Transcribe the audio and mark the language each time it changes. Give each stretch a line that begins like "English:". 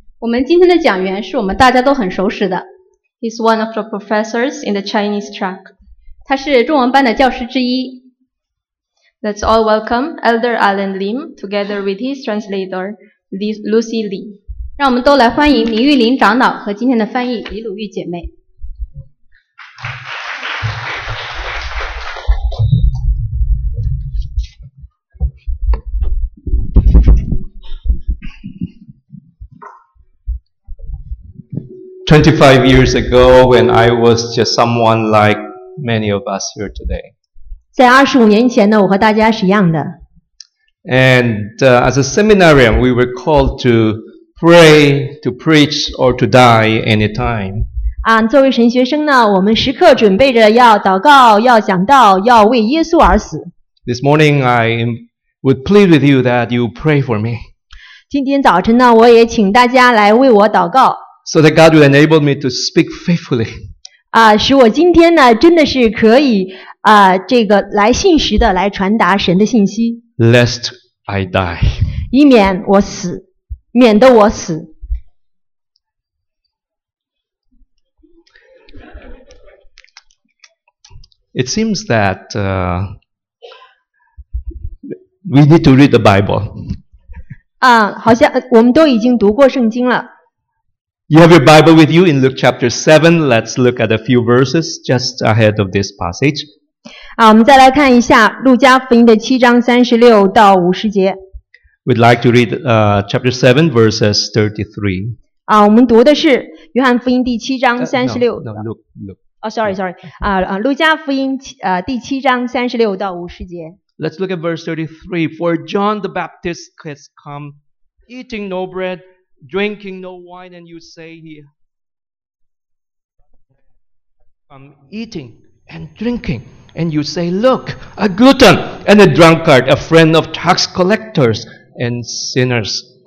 Chinese: 我们今天的讲员是我们大家都很熟识的。
English: He's one of the professors in the Chinese track.
Chinese: 他是中文班的教师之一。
English: Let's all welcome Elder Alan Lim together with his translator, Lucy Li.
Chinese: 让我们都来欢迎林玉林长老和今天的翻译李鲁玉姐妹。
English: 25 years ago, when I was just someone like many of us here today.
Chinese: 在25年前呢，我和大家是一样的。
English: And as a seminarian, we were called to pray, to preach, or to die anytime.
Chinese: 作为神学生呢，我们时刻准备着要祷告，要讲道，要为耶稣而死。
English: This morning, I would plead with you that you pray for me.
Chinese: 今天早晨呢，我也请大家来为我祷告。
English: So that God will enable me to speak faithfully.
Chinese: 使我今天呢真的是可以这个来信实的来传达神的信息。
English: Lest I die.
Chinese: 以免我死，免得我死。
English: It seems that we need to read the Bible.
Chinese: 好像我们都已经读过圣经了。
English: You have your Bible with you in Luke chapter 7. Let's look at a few verses just ahead of this passage.
Chinese: 我们再来看一下路加福音的七章三十六到五十节。
English: We'd like to read chapter 7 verses 33.
Chinese: 我们读的是约翰福音第七章三十六。
English: No, look. Sorry.
Chinese: 路加福音第七章三十六到五十节。
English: Let's look at verse 33. For John the Baptist has come eating no bread,drinking no wine, and you say here, I'm eating and drinking, and you say, look, a glutton and a drunkard, a friend of tax collectors and sinners.